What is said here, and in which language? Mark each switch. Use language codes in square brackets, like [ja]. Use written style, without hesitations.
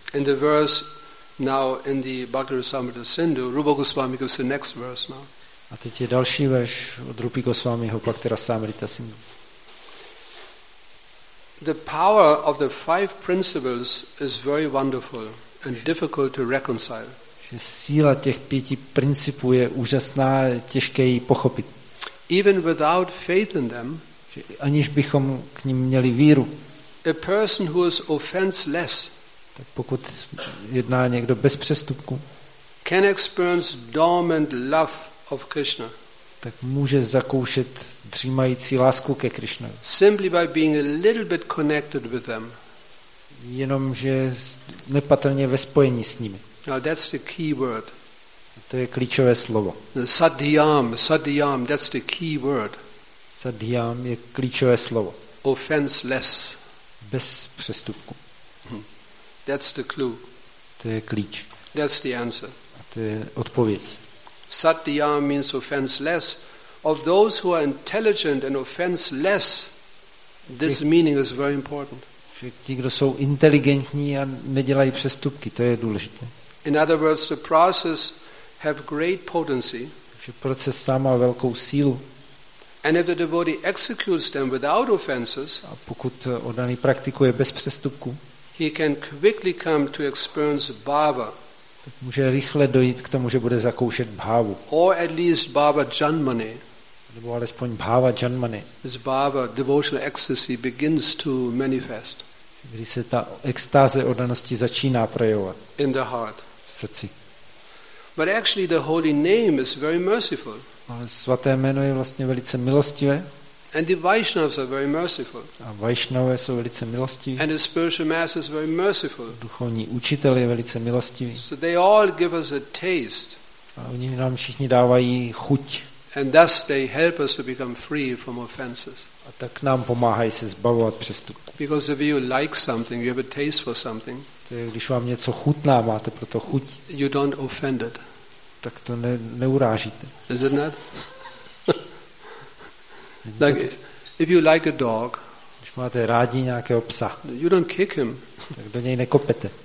[en] In the verse now in the Bhakti Rasamrita Sindhu, Rupa Goswami gives the next verse now. [cs] A teď je další verš od Rupi Goswamiho Bhakti Rasamrita Sindhu. [en] The power of the five principles is very wonderful and difficult to reconcile. [cs] Že síla těch pěti principů je úžasná, těžké ji pochopit. [en] Even without faith in them, [cs] aniž bychom k ním měli víru, [en] a person who is offenseless, [cs] tak pokud jedná někdo bez přestupku, [en] can experience dormant love of Krishna, [cs] tak může zakoušet dřímající lásku ke Krishnovi. [en] Simply by being a little bit connected with them, [cs] jenom že nepatrně ve spojení s nimi. [en] Now that's the key word. [cs] To je klíčové slovo. [en] Sadhyam, that's the key word. [cs] Sadhyam je klíčové slovo. [en] Offenseless. [cs] Bez přestupku. [en] That's the clue. [cs] To je klíč. [en] That's the answer. [cs] A to je odpověď. [en] Sadhyam means offenseless. Of those who are intelligent and offenseless, this meaning is very important. [cs] Že ti, kdo jsou inteligentní a nedělají přestupky, to je důležité. [en] In other words, the process have great potency. [cs] Že proces sám má velkou sílu. [en] And if the devotee executes them without offenses, [cs] a pokud oddaný praktikuje bez přestupku, [en] he can quickly come to experience bhava. [cs] Tak může rychle dojít k tomu, že bude zakoušet bhavu. [en] Or at least bhava janmani. [cs] Nebo alespoň bhava janmani. [en] This bhava, devotional ecstasy, begins to manifest. [cs] Kdy se ta extáze oddanosti začíná projevovat. [en] In the heart. [cs] V srdci. [en] But actually the holy name is very merciful. [cs] Ale svaté jméno je vlastně velice milostivé. [en] And the Vaishnavas are very merciful. [cs] A Vaishnavé jsou velice milostiví. [en] And the spiritual master is very merciful. [cs] Duchovní učitel je velice milostivý. [en] So they all give us a taste. [cs] A oni nám všichni dávají chuť. [en] And thus they help us to become free from offenses. [cs] A tak nám pomáhají se zbavovat přestupku. [en] Because if you like something, you have a taste for something. [cs] To je, když vám něco chutná, máte proto chuť. [en] You don't offend it. [cs] Tak to neurážíte. [en] Is it not? Like if you like a dog. [cs] Když máte rádi nějakého psa. [en] You don't kick him. [cs] Tak do něj nekopete.